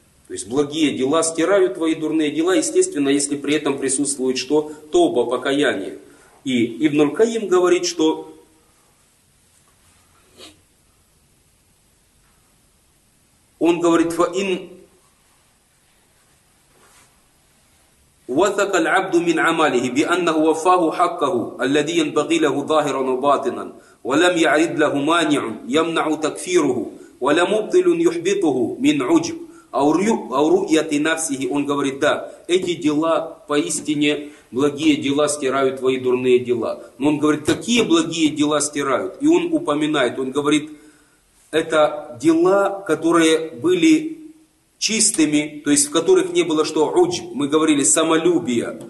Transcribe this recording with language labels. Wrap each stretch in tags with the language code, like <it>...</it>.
<ru>То есть благие дела стирают твои дурные дела, естественно, если при этом присутствует что? Тоба, покаяние. И Ибн аль-Кайим говорит, что он говорит,</ru> <ar>«Фаин وثق العبد من عمله بأنه وفاه حقه الذي ينبغي له ظاهرا وباطنا ولم يعد له مانع يمنع تكفيره ولا مبطل يحبطه من عجب أو رؤية نفسه.</ar> <ru>Он говорит, да, эти дела, поистине, благие дела стирают твои дурные дела. Но он говорит, какие благие дела стирают? И он упоминает, он говорит, это дела, которые были чистыми, то есть в которых не было что, уджб, мы говорили, самолюбие.</ru>